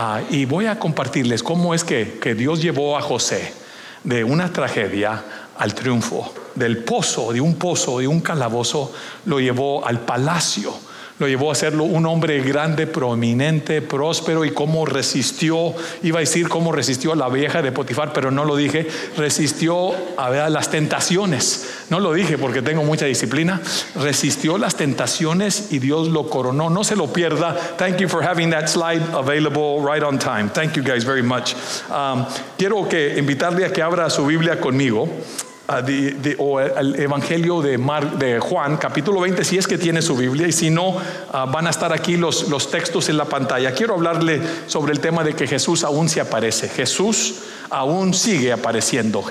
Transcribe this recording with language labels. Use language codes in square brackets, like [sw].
[es] Y voy a compartirles cómo es que Dios llevó a José de una tragedia al triunfo, del pozo, de un pozo, de un calabozo, lo llevó al palacio, lo llevó a serlo un hombre grande, prominente, próspero, y cómo resistió, iba a decir cómo resistió a la vieja de Potifar, pero no lo dije, resistió a las tentaciones, no lo dije porque tengo mucha disciplina, resistió las tentaciones y Dios lo coronó. No se lo pierda. [en] Thank you for having that slide available right on time. Thank you guys very much. [es] Quiero que invitarle a que abra su Biblia conmigo, o el Evangelio de Juan, capítulo 20, si es que tiene su Biblia, y si no, van a estar aquí los textos en la pantalla. Quiero hablarle sobre el tema de que Jesús aún se aparece. Jesús aún sigue apareciendo.